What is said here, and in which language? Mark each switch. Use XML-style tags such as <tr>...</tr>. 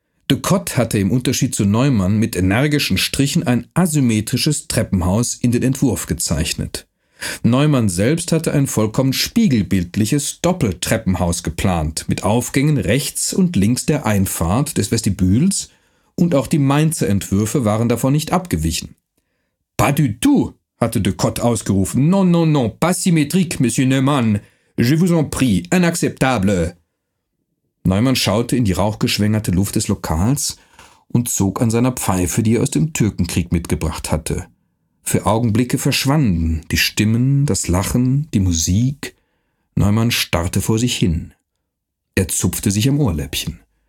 <de>De Kott hatte im Unterschied zu Neumann mit energischen Strichen ein asymmetrisches Treppenhaus in den Entwurf gezeichnet. Neumann selbst hatte ein vollkommen spiegelbildliches Doppeltreppenhaus geplant, mit Aufgängen rechts und links der Einfahrt des Vestibüls, und auch die Mainzer Entwürfe waren davon nicht abgewichen. »</de> <fr>Pas du tout«,</fr> <de>hatte de Kott ausgerufen.</de> <fr>»Non, non, non, pas symétrique, Monsieur Neumann. Je vous en prie, inacceptable.«</fr> <de>Neumann schaute in die rauchgeschwängerte Luft des Lokals und zog an seiner Pfeife, die er aus dem Türkenkrieg mitgebracht hatte. Für Augenblicke verschwanden die Stimmen, das Lachen, die Musik. Neumann starrte vor sich hin. Er zupfte sich am Ohrläppchen.</de>